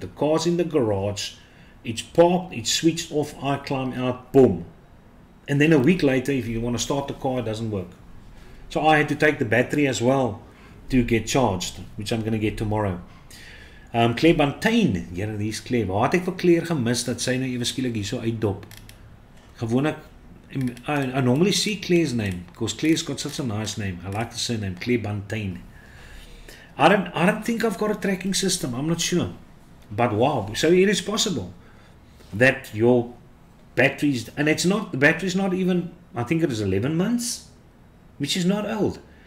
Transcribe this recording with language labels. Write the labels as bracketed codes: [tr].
[en] The car's in the garage. It's parked, it's switched off, I climb out, boom. And then a week later, if you want to start the car, it doesn't work. So I had to take the battery as well to get charged, which I'm going to get tomorrow. Claire Bantain, here it is Claire. [af] Wat ek vir Claire gemis dat sy nou eweskielik hier so uitdop? [en] Gewoonlik, I normally see Claire's name, because Claire's got such a nice name. I like the surname, Claire Bantain. I don't think I've got a tracking system, I'm not sure. But wow, so it is possible that your batteries, and it's not, the battery's not even, I think it is 11 months, which is not old.